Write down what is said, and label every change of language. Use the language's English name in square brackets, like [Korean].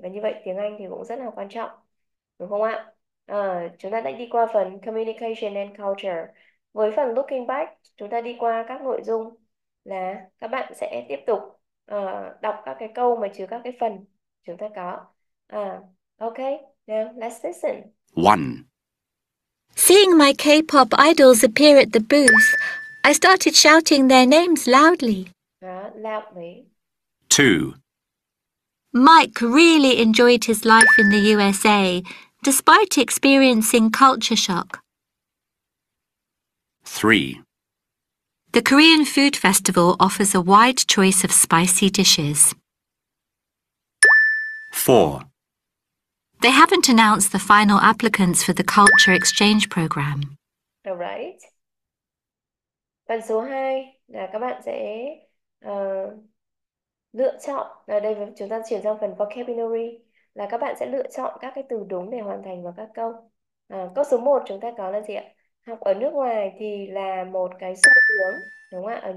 [Vietnamese] Và như vậy tiếng Anh thì cũng rất là quan trọng, đúng không ạ? Chúng ta đã đi qua phần Communication and Culture. Với phần Looking Back, chúng ta đi qua các nội dung là các bạn sẽ tiếp tục đọc các cái câu mà chứa các cái phần chúng ta có. [English] Okay, now let's listen. 1. Seeing my K-pop idols appear at the booth, I started shouting their names loudly. Loudly. 2. Mike really enjoyed his life in the USA, despite experiencing culture shock. 3. The Korean Food Festival offers a wide choice of spicy dishes. 4. They haven't announced the final applicants for the culture exchange program. All right. [Vietnamese] Phần số 2 là các bạn sẽ lựa chọn, đây chúng ta chuyển sang phần vocabulary, là các bạn sẽ lựa chọn các cái từ đúng để hoàn thành vào các câu. Câu số 1 chúng ta có là gì ạ? Học ở nước ngoài thì là một cái xu hướng, đúng không ạ?